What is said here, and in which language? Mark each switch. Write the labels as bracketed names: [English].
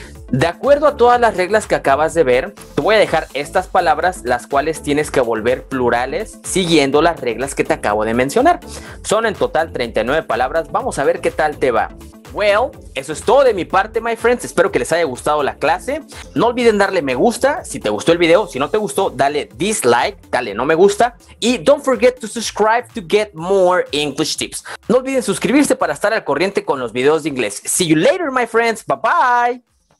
[Spanish] De acuerdo a todas las reglas que acabas de ver, te voy a dejar estas palabras, las cuales tienes que volver plurales siguiendo las reglas que te acabo de mencionar. Son en total 39 palabras. Vamos a ver qué tal te va. [English] Well, [Spanish] eso es todo de mi parte, [English] my friends. [Spanish] Espero que les haya gustado la clase. No olviden darle me gusta si te gustó el video. Si no te gustó, dale dislike, dale no me gusta. [English] Y don't forget to subscribe to get more English tips. [Spanish] No olviden suscribirse para estar al corriente con los videos de inglés. [English] See you later, my friends. Bye, bye.